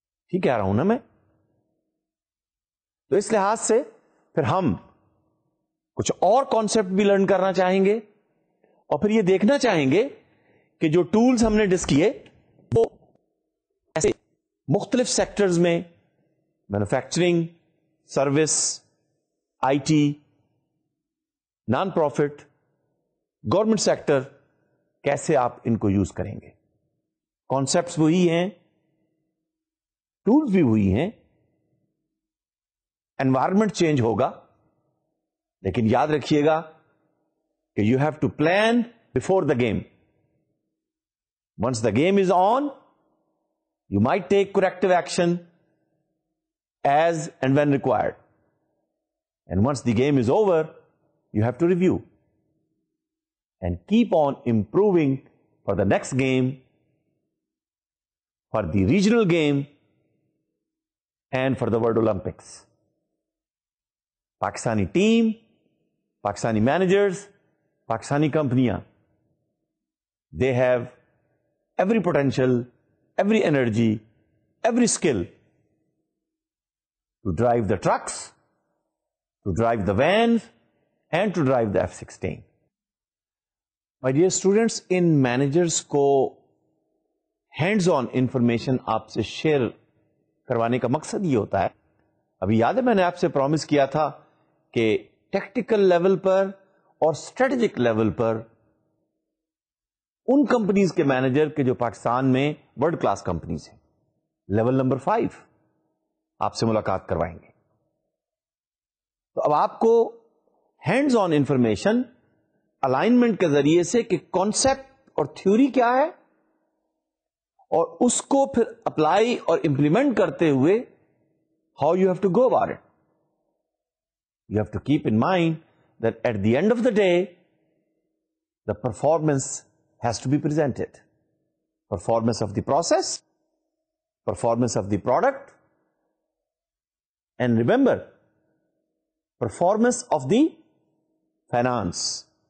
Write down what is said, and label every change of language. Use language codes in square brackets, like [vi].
[ur] ٹھیک کہہ رہا ہوں نا میں؟ تو اس لحاظ سے پھر ہم کچھ اور کانسیپٹ بھی لرن کرنا چاہیں گے، اور پھر یہ دیکھنا چاہیں گے کہ جو ٹولز ہم نے ڈس کیے وہ ایسے مختلف سیکٹرز میں، manufacturing, service, I T, non profit, government sector, کیسے آپ ان کو یوز کریں گے. کانسیپٹس وہی ہیں، ٹولز بھی وہی ہیں، انوائرمنٹ چینج ہوگا، لیکن یاد رکھیے گا کہ [en] You have to plan before the game. Once the game is on you might take corrective action as and when required, and once the game is over you have to review and keep on improving for the next game, for the regional game, and for the world Olympics. Pakistani team, Pakistani managers, Pakistani کمپنیاں، they have every potential, every energy, every skill to drive the trucks, to drive the vans, and to drive the F-16. My dear students, [ur] in managers کو hands on information آپ سے share کروانے کا مقصد یہ ہوتا ہے. ابھی یاد ہے میں نے آپ سے پرومس کیا تھا کہ ٹیکٹیکل لیول پر اور اسٹریٹجک لیول پر ان کمپنیز کے مینیجر کے جو پاکستان میں ورلڈ کلاس کمپنیز ہیں، لیول نمبر 5 آپ سے ملاقات کروائیں گے. تو اب آپ کو ہینڈز آن انفارمیشن الائنمنٹ کے ذریعے سے کہ کانسیپٹ اور تھیوری کیا ہے، اور اس کو پھر اپلائی اور امپلیمنٹ کرتے ہوئے [en] How you have to go about it. You have to keep in mind that at the end of the day, the performance has to be presented. Performance of the process, performance of the product, and remember, performance of the finance.